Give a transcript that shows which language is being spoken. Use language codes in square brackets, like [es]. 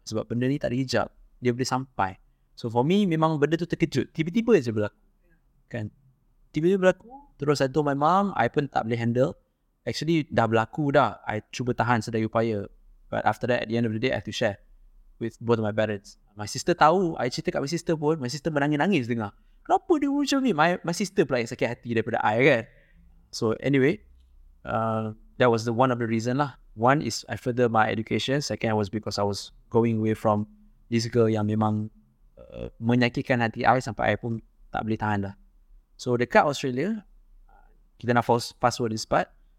[ms] Sebab benda ni tak ada hijab, dia boleh sampai. [en] So for me, [ms] memang benda tu terkejut. Tiba-tiba je berlaku, kan? Tiba-tiba berlaku. Terus [en] I told my mom, [ms] I pun tak boleh handle. Actually dah berlaku dah, I cuba tahan sedaya upaya. [en] But after that, at the end of the day, I have to share with both of my parents. My sister [ms] tahu, I cerita kat my sister pun, my sister menangis-nangis dengar. Kenapa dia macam ni? My sister pula yang sakit hati daripada I kan? [en] So anyway, that was the one of the reason lah. One is I further my education. Second was because I was going away from this girl [ms] yang memang menyakitkan hati I sampai I pun tak boleh tahan dah. So dekat Australia, kita nak [en] fast forward this part.